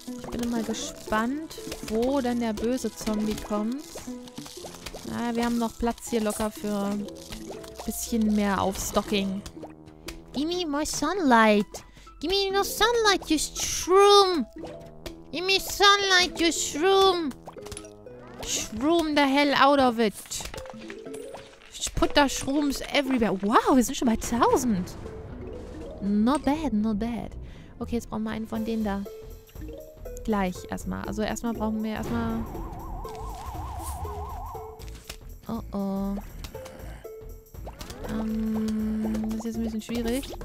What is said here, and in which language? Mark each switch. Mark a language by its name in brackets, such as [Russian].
[German] gerade mal gespannt, wo denn der böse Zombie kommt. Ah, wir haben noch Platz hier locker für ein bisschen mehr Aufstocking. [English] Give me more sunlight. Give me more sunlight, you shroom. Give me sunlight, you shroom. Shroom the hell out of it. Put the shrooms everywhere. [German] Wow, wir sind schon bei 1000. [English] Not bad, not bad. [German] Okay, jetzt brauchen wir einen von denen da. Gleich erstmal. Also erstmal brauchen wir erstmal... Oh oh. Das ist jetzt ein bisschen schwierig.